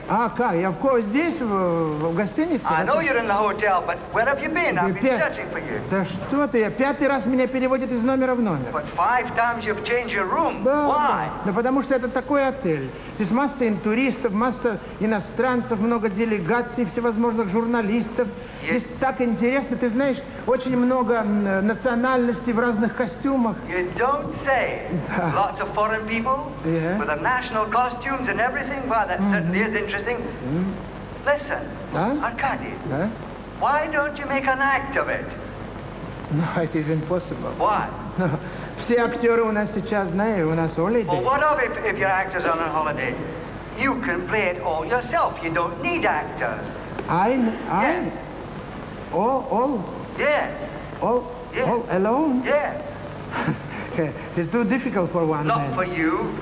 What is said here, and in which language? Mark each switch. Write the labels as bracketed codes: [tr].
[ru] Аркадий, [en] of course, [ru] здесь, в гостинице. [en] I know you're in the hotel, but where have you been? I've been searching for you. [ru] Да что ты, пятый раз меня переводят из номера в номер. [en] But five times you've changed your room. [ru] Да, [en] why? [ru] Да потому что это такой отель. Здесь масса туристов, масса иностранцев, много делегаций, всевозможных журналистов. [en] Yes. [ru] Здесь так интересно, ты знаешь, очень много национальностей в разных костюмах. [en] You don't say. [ru] Да. [en] Lots of foreign people, yeah, with the national costumes and everything. Wow, that mm-hmm. certainly is interesting. Mm-hmm. Listen, [ru] да? Аркадий, да? [en] Why don't you make an act of it? No, it is impossible. Why? No. [ru] Все актеры у нас сейчас, знаешь, у нас holiday. [en] Well, what of if your actors are on holiday? You can play it all yourself. You don't need actors. I? Yes. All? Yes. All alone? Yes. It's too difficult for one Not man. Not for you.